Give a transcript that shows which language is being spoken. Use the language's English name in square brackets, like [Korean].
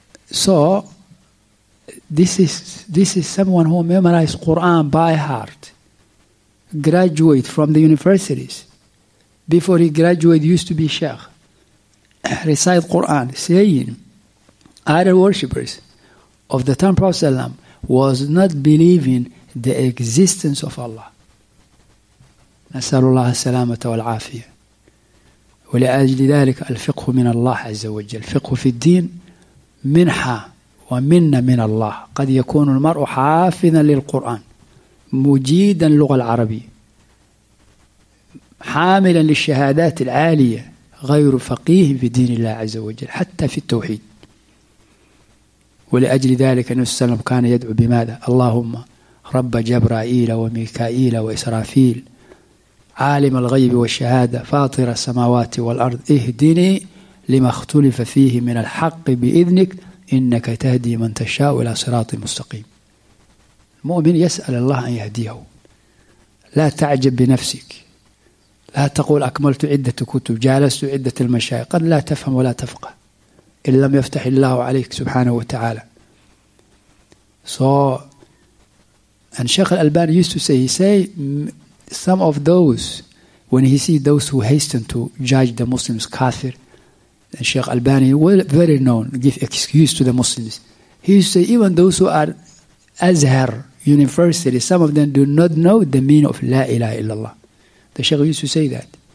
[English] So this is someone who memorized Quran by heart, graduate from the universities. Before he graduated, used to be Sheikh, recite Quran, saying other worshippers of the time Prophet was not believing the existence of Allah. [Arabic] نسأل الله السلامة والعافية ولأجل ذلك الفقه من الله عز وجل الفقه في الدين منحة ومنة من الله قد يكون المرء حافظا للقرآن مجيدا اللغة العربية حاملا للشهادات العالية غير فقيه في دين الله عز وجل حتى في التوحيد ولأجل ذلك النبي صلى الله عليه وسلم كان يدعو بماذا اللهم رب جبرائيل وميكائيل وإسرافيل عالم الغيب والشهادة فاطر السماوات والأرض اهدني لما اختلف فيه من الحق بإذنك إنك تهدي من تشاء إلى صراط مستقيم. المؤمن يسأل الله أن يهديه. لا تعجب بنفسك، لا تقول أكملت عدة كتب، جالست عدة المشايخ، قد لا تفهم ولا تفقه إن لم يفتح الله عليك سبحانه وتعالى. [English] So and Sheikh Al-Albani used to say, he say some of those, when he see those who hasten to judge the Muslims kafir, and Sheikh Albani, well, very known, give excuse to the Muslims. He used to say, even those who are Azhar University, some of them do not know the meaning of La ilaha illallah. The Sheikh used to say that.